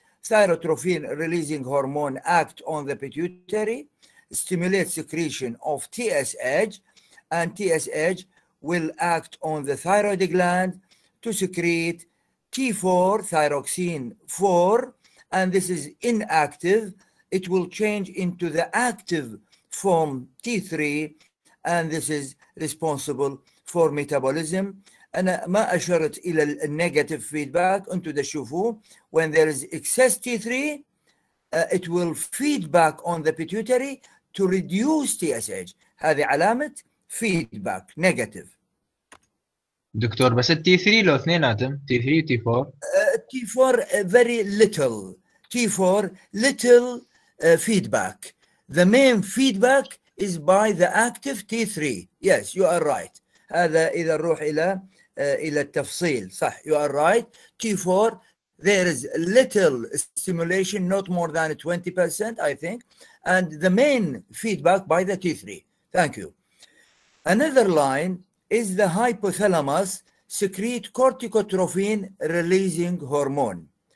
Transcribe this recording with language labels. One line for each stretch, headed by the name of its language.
English: Thyrotrophin releasing hormone act on the pituitary, stimulate secretion of TSH, and TSH will act on the thyroid gland to secrete T4, thyroxine 4, and this is inactive. it will change into the active form T3, and this is responsible for metabolism.
Arabic: أنا ما أشرت إلى الـ negative feedback. أنتوا تشوفوه.
English: When there is excess T3, it will feed back on the pituitary to reduce TSH.
Arabic: هذه علامة feedback negative. دكتور بس الـ T3 له اثنين آتم. T3 و T4.
English: T4 very little. T4 little feedback. The main feedback is by the active T3. Yes, you are right.
Arabic: هذا إذا نروح إلى التفصيل صح.
English: You are right. T4 there is little stimulation, not more than 20%, I think, and the main feedback by the T3. Thank you. Another line is the hypothalamus secrete corticotropin releasing hormone.